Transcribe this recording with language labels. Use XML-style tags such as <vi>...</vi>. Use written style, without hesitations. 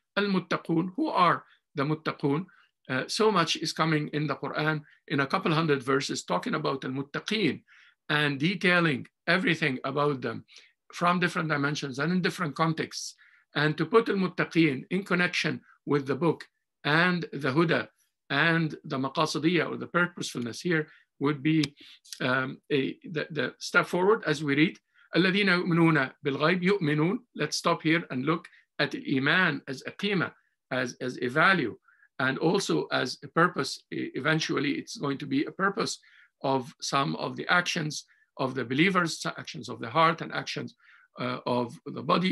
<en>المتقون, who are the muttaqun? So much is coming in the Quran in a couple hundred verses talking about المتقين and detailing everything about them from different dimensions and in different contexts. And to put المتقين in connection with the book and the Huda and the maqasidiyya or the purposefulness here would be the step forward as we read.</en> <ar>الذين يؤمنون بالغيب يؤمنون.</ar> <en>Let's stop here and look at iman as a qima, as a value, and also as a purpose. Eventually, it's going to be a purpose of some of the actions of the believers, actions of the heart and actions of the body.</en>